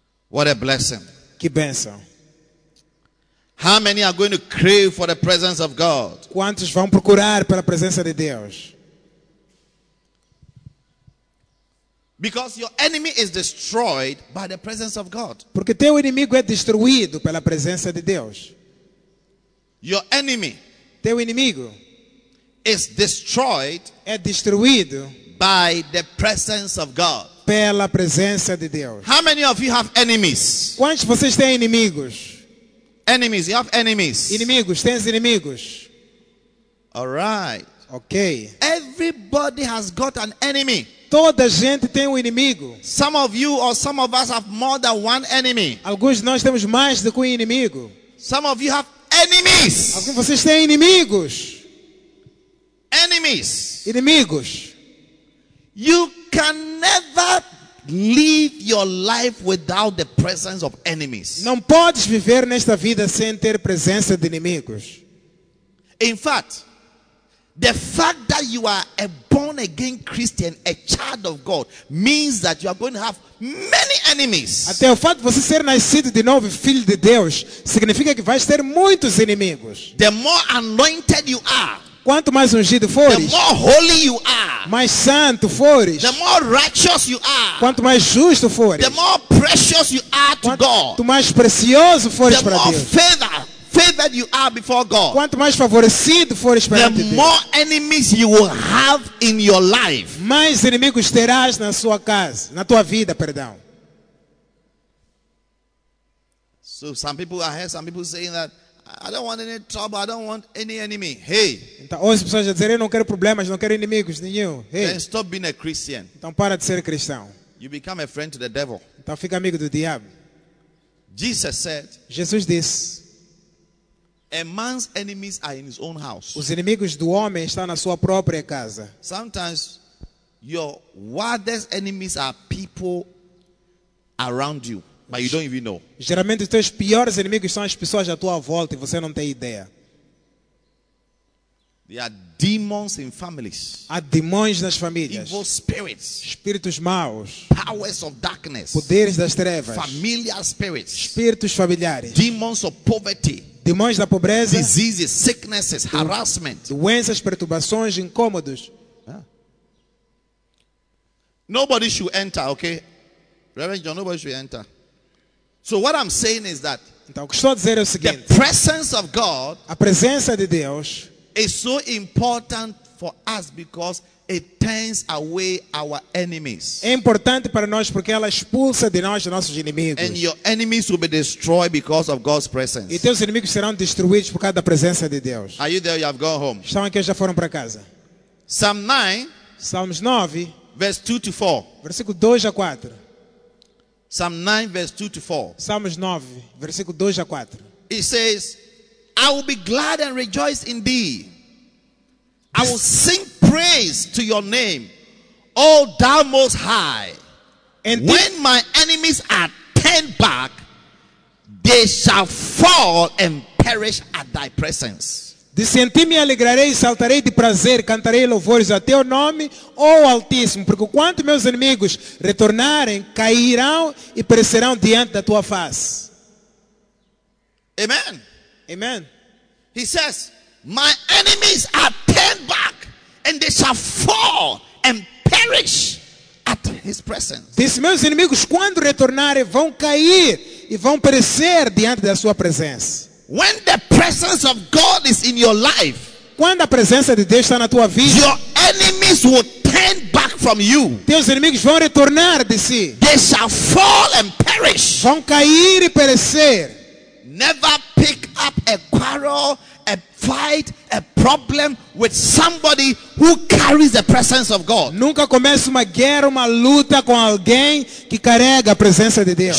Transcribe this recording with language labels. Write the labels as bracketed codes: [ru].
[en] What a blessing. [pt] Que bênção. [en] How many are going to crave for the presence of God? [pt] Quantos vão procurar pela presença de Deus? [en] Because your enemy is destroyed by the presence of God. [pt] Porque teu inimigo é destruído pela presença de Deus. [en] Your enemy, [pt] teu inimigo, [en] is destroyed, [pt] é destruído, [en] by the presence of God. [pt] Pela presença de Deus. [en] How many of you have enemies? [pt] Quantos de vocês têm inimigos? [en] Enemies, you have enemies. [pt] Inimigos, tens inimigos. [en] All right. [pt] Okay. [en] Everybody has got an enemy. [pt] Toda gente tem inimigo. [en] Some of you or some of us have more than one enemy. [pt] Alguns de nós temos mais do que inimigo. [en] Some of you have enemies. [pt] Alguns de vocês têm inimigos. [en] Enemies. [pt] Inimigos. [en] You can never live your life without the presence of enemies. [pt] Não podes viver nesta vida sem ter presença de inimigos. [en] In fact, the fact that you are a born again Christian, a child of God, means that you are going to have many enemies. [pt] Até o fato de você ser nascido de novo, filho de Deus, significa que vais ter muitos inimigos. [en] The more anointed you are, [pt] quanto mais ungido fores, [en] the more holy you are, [pt] mais santo fores, [en] the more righteous you are, [pt] quanto mais justo fores, [en] the more precious you are to God, [pt] quanto mais precioso fores para Deus, [en] the more favored you are before God, [pt] quanto mais favorecido fores perante [en] Deus, the more enemies you will have in your life, [pt] mais inimigos terás na sua casa, na tua vida, perdão. [en] So some people, I heard some people saying that, I don't want any trouble, I don't want any enemy. Hey. [pt] Então, ouço pessoas dizer, eu não quero problemas, não quero inimigos nenhum. Hey. [en] Then stop being a Christian. [pt] Então para de ser cristão. [en] You become a friend to the devil. [pt] Então fica amigo do diabo. [en] Jesus said. [pt] Jesus disse. [en] A man's enemies are in his own house. [pt] Os inimigos do homem estão na sua própria casa. [en] Sometimes your wildest enemies are people around you, but you don't even know. [pt] Geralmente os teus piores inimigos são as pessoas à tua volta e você não tem ideia. [en] They are demons in families. [pt] Há demônios nas famílias. [en] Evil spirits. [pt] Espíritos maus. [en] Powers of darkness. [pt] Poderes das trevas. [en] Familiar spirits. [pt] Espíritos familiares. [en] Demons of poverty. [pt] Demônios da pobreza. [en] Diseases, sicknesses, harassment. [pt] Doenças, perturbações, incômodos. [en] Nobody should enter, okay? Reverend John, nobody should enter. So what I'm saying is that, [pt] então, o que estou a dizer é o seguinte, [en] the presence of God, [pt] a presença de Deus, [en] is so important for us because it turns away our enemies. [pt] É importante para nós porque ela expulsa de nós nossos inimigos. [en] And your enemies will be destroyed because of God's presence. [pt] E teus inimigos serão destruídos por causa da presença de Deus. [en] Are you there? You have gone home. [pt] Estão aqui, já foram para casa. [en] Psalm 9, [pt] Salmos 9, [en] verse 2 to 4. [pt] Versículo 2 a 4. [en] Psalm 9, verse 2 to 4. [pt] Salmos 9, versículo 2 a 4. [en] It says, I will be glad and rejoice in thee. I will sing praise to your name, O thou most high. And when my enemies are turned back, they they shall fall and perish at thy presence. [pt] De sentir me alegrarei, saltarei de prazer, cantarei louvores a teu nome, ó Altíssimo, porque quanto meus inimigos retornarem, cairão e perecerão diante da tua face. [en] Amen. [pt] Amen. [en] He says, my enemies are turned back and they shall fall and perish at his presence. [pt] Diz, meus inimigos, quando retornarem, vão cair e vão perecer diante da sua presença. [en] When the presence of God is in your life, [pt] quando a presença de Deus está na tua vida, [en] your enemies will turn back from you. [pt] Teus inimigos vão retornar de si. [en] They shall fall and perish. [pt] Vão cair e perecer. [en] Never pick up a quarrel, a fight, a problem with somebody who carries the presence of God. [pt] Nunca comece uma guerra, uma luta com alguém que carrega a presença de Deus.